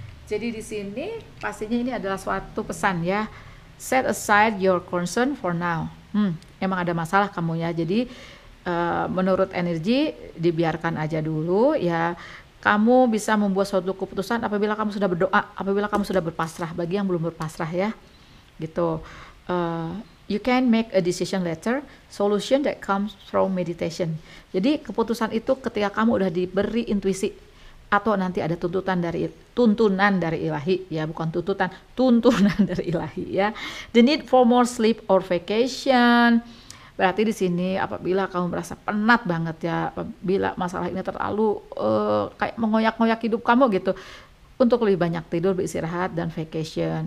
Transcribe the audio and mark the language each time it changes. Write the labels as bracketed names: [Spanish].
[Indonesian] Jadi di sini pastinya ini adalah suatu pesan ya, [English] set aside your concern for now. [Indonesian] Emang ada masalah kamu ya, jadi menurut energi dibiarkan aja dulu ya. Kamu bisa membuat suatu keputusan apabila kamu sudah berdoa, apabila kamu sudah berpasrah, bagi yang belum berpasrah ya, gitu. [English] You can make a decision later, solution that comes from meditation. [Indonesian] Jadi keputusan itu ketika kamu udah diberi intuisi atau nanti ada tuntunan dari ilahi ya, bukan tuntutan, tuntunan dari ilahi ya. [English] The need for more sleep or vacation. [Indonesian] Berarti di sini apabila kamu merasa penat banget ya, apabila masalah ini terlalu kayak mengoyak-ngoyak hidup kamu gitu, untuk lebih banyak tidur, beristirahat, dan vacation.